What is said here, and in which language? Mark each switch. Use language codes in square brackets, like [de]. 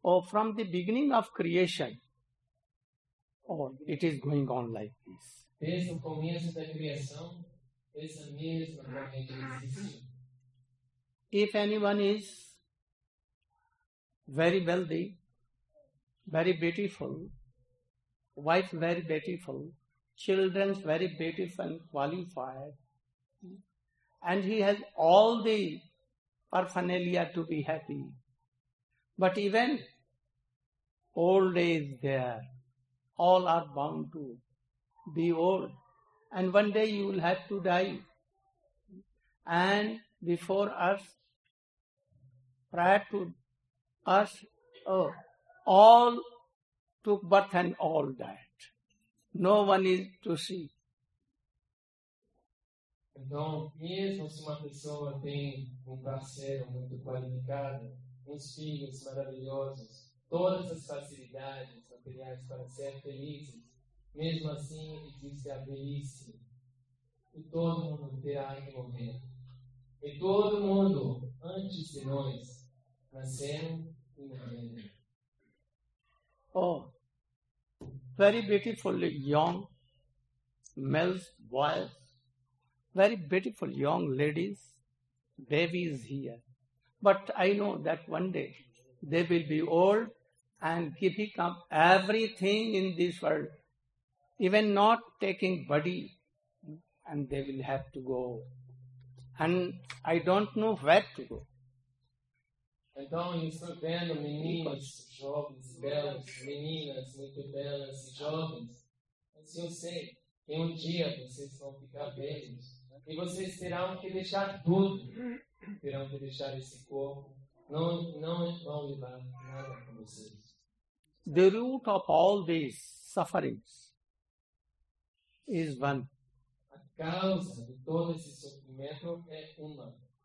[en] From the beginning of creation, it is going on like this. [pt] Desde o começo da criação, essa mesma corrente existe. [en] If anyone is very wealthy, very beautiful, wife very beautiful, children very beautiful and qualified, and he has all the paraphernalia to be happy. But even old age there, all are bound to be old, and one day you will have to die. And before us, prior to us, all took birth and all died. No one is to see. [pt] Então, mesmo se uma pessoa tem parceiro muito qualificado, filhos maravilhosos, todas as facilidades materiais para ser feliz, mesmo assim ele diz que a velhice e todo mundo terá que morrer. E todo mundo, antes de nós, nasceram e morreram. [en] Oh, very beautifully young males, boys, very beautiful young ladies, babies here. But I know that one day they will be old and giving up everything in this world, even not taking body, and they will have to go. And I don't know where to go. [pt] Então, estou vendo meninas jovens, belas, meninas muito belas e jovens. Mas eu sei que um dia vocês vão ficar velhos e vocês terão que deixar tudo. Terão que deixar esse corpo. Não vão levar nada com vocês. [en] The root of all these sufferings is one. [pt] A causa de todo esse sofrimento é uma.